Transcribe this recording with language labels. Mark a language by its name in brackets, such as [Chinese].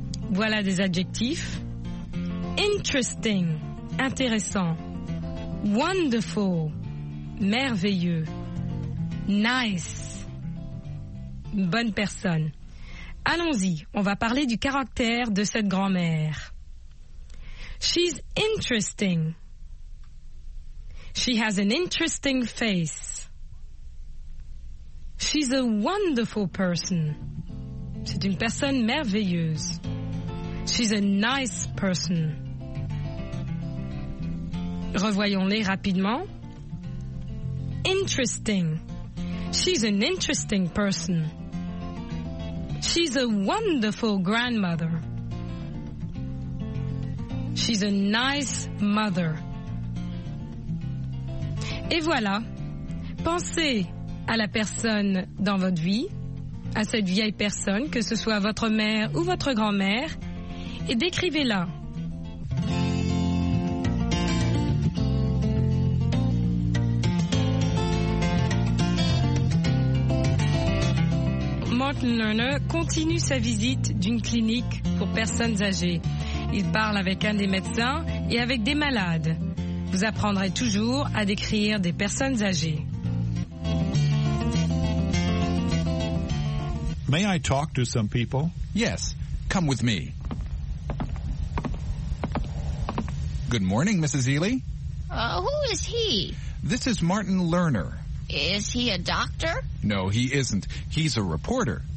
[French] Voilà des adjectifs. Interesting, intéressant. Wonderful, merveilleux. Nice, bonne personne. Allons-y, on va parler du caractère de cette grand-mère. [English] She's interesting. She has an interesting face. She's a wonderful person. [French] C'est une personne merveilleuse. [English] She's a nice person. [French] Revoyons-les rapidement. [English] Interesting. She's an interesting person. She's a wonderful grandmother. She's a nice mother. [French] Et voilà. Pensez à la personne dans votre vie, à cette vieille personne, que ce soit votre mère ou votre grand-mère, et décrivez-la. Martin Lerner continue sa visite d'une clinique pour personnes âgées. Il parle avec un des médecins et avec des malades. Vous apprendrez toujours à décrire des personnes âgées. [English] May I talk to some people? Yes, come with me. Good morning, Mrs. Ely. Who is he? This is Martin Lerner. Is he a doctor? No, he isn't. He's a reporter.